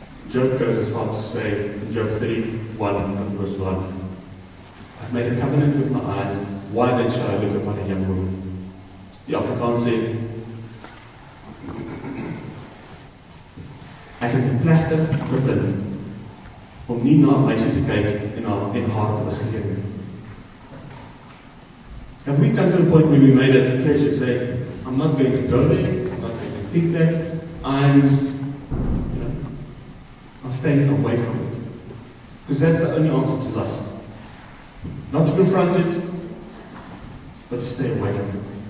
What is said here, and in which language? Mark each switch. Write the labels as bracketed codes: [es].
[en] Job goes as far as to say in Job 31 and verse 1, I've made a covenant with my eyes, why then shall I look upon a young woman? The Afrikaans said, [af] ek het 'n plegtig gebind om nie na 'n meisie te kyk en haar in haar te begeer nie. [en] Have we come to the point where we made a pledge and say, I'm not going to go there, I'm not going to think that, I'm staying away from it. Because that's the only answer to lust. Not to confront it, but to stay away from it.